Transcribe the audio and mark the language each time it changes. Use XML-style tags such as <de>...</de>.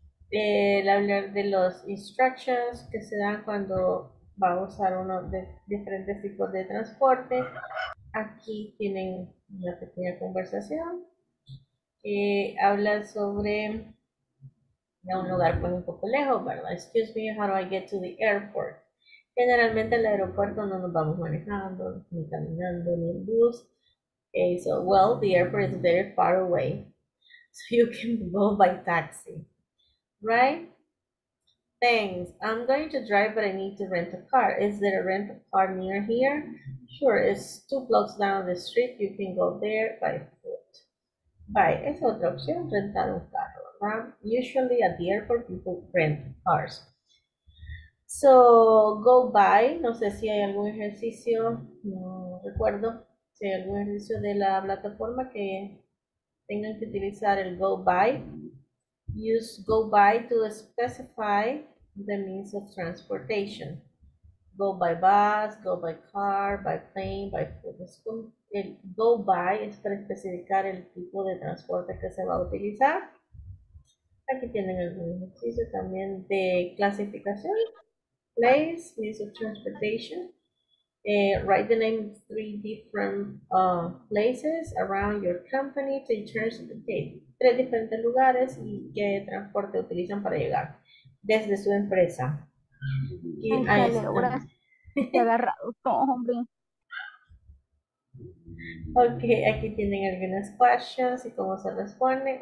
<es>El hablar de los instructions que se dan cuando va a usar uno de diferentes tipos de transporte. Aquí tienen una pequeña conversación. Hablan sobre... a un lugar pues un poco lejos, ¿verdad?</es> <en>Excuse me, how do I get to the airport?</en> <es>Generalmente al aeropuerto no nos vamos manejando, ni caminando, ni en bus.</es> <en>Okay, so, well, the airport is very far away. So you can go by taxi, right? Thanks. I'm going to drive, but I need to rent a car. Is there a rent a car near here? Sure, it's 2 blocks down the street. You can go there by foot. Bye.</en> <es>Es otra opción, rentar un carro.</es> <en>Usually at the airport, people rent cars. So, go by.</en> <es>No sé si hay algún ejercicio. No recuerdo si hay algún ejercicio de la plataforma que tengan que utilizar el go by.</es> <en>Use go by to specify the means of transportation. Go by bus, go by car, by plane, by foot.</en> <es>El go by es para especificar el tipo de transporte que se va a utilizar. Aquí tienen algún ejercicio también de clasificación.</es> <en>Place, means of transportation. Write the name of 3 different places around your company to transportate.</en> <es>3 diferentes lugares y qué transporte utilizan para llegar desde su empresa. Y ahí está. Agarrado todo, hombre. Ok, aquí tienen algunas questions y cómo se responden.</es>